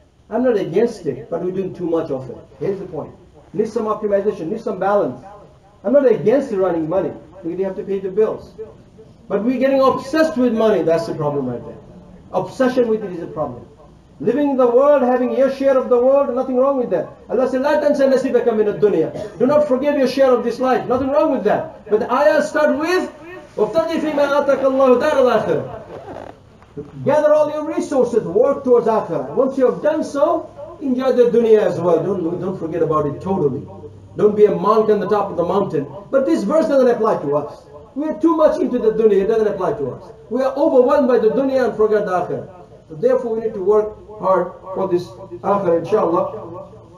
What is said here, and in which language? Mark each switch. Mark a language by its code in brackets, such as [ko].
[en] I'm not against it, but we're doing too much of it. Here's the point. Need some optimization, need some balance. I'm not against running money, because you have to pay the bills. But we're getting obsessed with money, that's the problem right there. Obsession with it is a problem. Living in the world, having your share of the world, nothing wrong with that. Allah said, [ar] لَا تَنْسَ نَسِبَكَ مِنَ الدُّنْيَا. [en] Do not forget your share of this life. Nothing wrong with that. But the ayah start with, [ar] وَفْتَدِي فِي مَا آتَكَ اللَّهُ دَارَ الْآخِرَةِ. [en] Gather all your resources, work towards Akhirah. Once you have done so, enjoy the dunya as well. Don't forget about it totally. Don't be a monk on the top of the mountain. But this verse doesn't apply to us. We are too much into the dunya, it doesn't apply to us. We are overwhelmed by the dunya and forget the Akhirah. So therefore, we need to work hard for this Akhirah, inshallah.